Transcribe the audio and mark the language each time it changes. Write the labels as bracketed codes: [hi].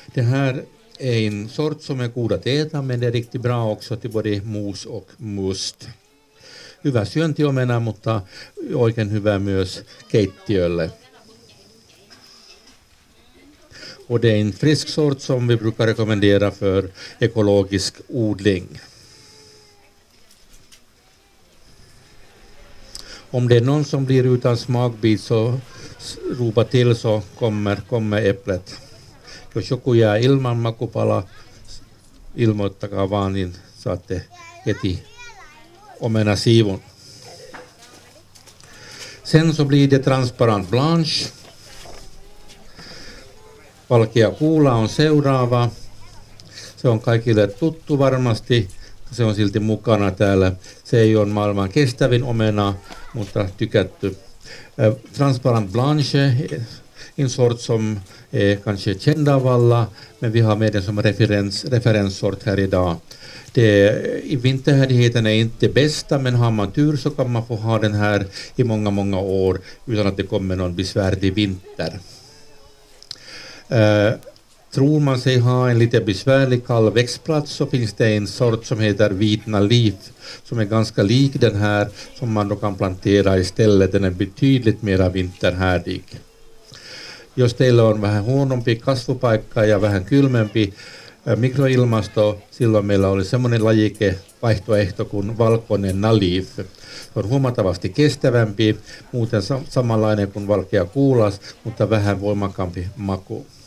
[sv] Det här är en sort som är god att äta, men det är riktigt bra också till både mos och must. [fi] Hyvä syöntiomena, mutta oikein hyvä myös keittiölle. [sv] Och det är en frisk sort som vi brukar rekommendera för ekologisk odling. Om det är någon som blir utan smakbit så ropa till så kommer äpplet. [fi] Jos joku jää ilman makupala, ilmoittakaa vaan, niin saatte heti omenasiivun. [sv] Sen så blir det transparent blanche. [fi] Valkea kuula on seuraava. Se on kaikille tuttu varmasti. Se on silti mukana täällä. Se ei ole maailman kestävin omena, mutta tykätty. [sv] Transparent blanche, en sort som är kanske känd av alla, men vi har med den som referenssort här idag. I vinterhärdigheten är inte bästa, men har man tur så kan man få ha den här i många, många år utan att det kommer någon besvärlig vinter. Tror man sig ha en lite besvärlig kall växtplats så finns det en sort som heter Vitna Leaf som är ganska lik den här som man då kan plantera istället. Den är betydligt mer vinterhärdig. [fi] Jos teillä on vähän huonompi kasvupaikka ja vähän kylmempi mikroilmasto, silloin meillä oli semmoinen lajike vaihtoehto kuin valkoinen Nalif. Se on huomattavasti kestävämpi, muuten samanlainen kuin valkea kuulas, mutta vähän voimakkaampi maku.